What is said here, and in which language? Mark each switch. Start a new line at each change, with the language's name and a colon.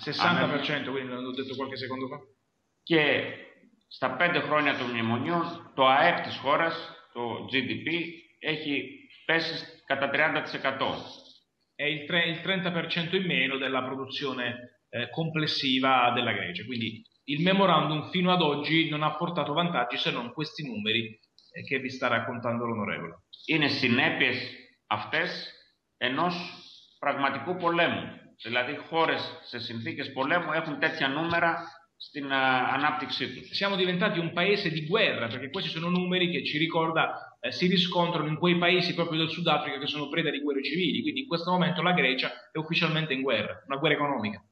Italian: 60%, quindi l'ho detto qualche secondo fa.
Greek: Και στα 5 χρόνια του μνημονίου, το ΑΕΠ της χώρας, το GDP, έχει πέσει κατά 30%.
Italian: È il 30% in meno della produzione complessiva della Grecia. Quindi il memorandum fino ad oggi non ha portato vantaggi se non questi numeri che vi sta raccontando l'onorevole.
Greek: Είναι συνέπειες αυτές ενός πραγματικού πολέμου. Δηλαδή, χώρες σε συνθήκες πολέμου έχουν τέτοια νούμερα στην ανάπτυξή τους.
Italian: Siamo diventati un paese di guerra, perché questi sono numeri che ci ricorda, si riscontrano in quei paesi proprio del Sud Africa che sono preda di guerre civili. Quindi, in questo momento la Grecia è ufficialmente in guerra, una guerra economica.